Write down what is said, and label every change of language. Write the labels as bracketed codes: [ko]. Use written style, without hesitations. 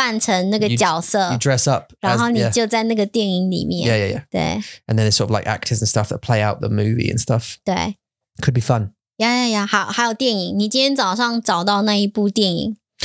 [zh] 就是你可以装扮成那个角色。 [en] You dress up. [zh] 然后你就在那个电影里面。 [en] Yeah, yeah, yeah. [zh] 对。 [en] And then there's sort of like actors and stuff that play out the movie and stuff. [zh] 对。 [en] Could be fun. Yeah, yeah, yeah. [zh] 好，还有电影。你今天早上找到那一部电影